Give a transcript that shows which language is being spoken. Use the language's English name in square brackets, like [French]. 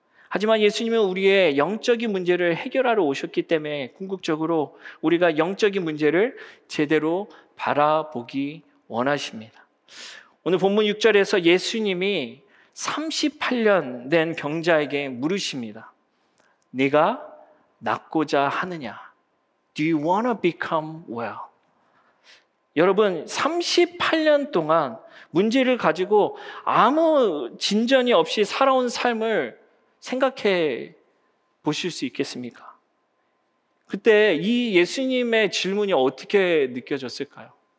[Korean] 하지만 예수님은 우리의 영적인 문제를 해결하러 오셨기 때문에 궁극적으로 우리가 영적인 문제를 제대로 바라보기 원하십니다. 오늘 본문 6절에서 예수님이 38년 된 병자에게 물으십니다. 네가 낫고자 하느냐? [English] Do you want to become well? [Korean] 여러분 38년 동안 문제를 가지고 아무 진전이 없이 살아온 삶을 생각해 보실 수 있겠습니까? 그때 이 예수님의 질문이 어떻게 느껴졌을까요?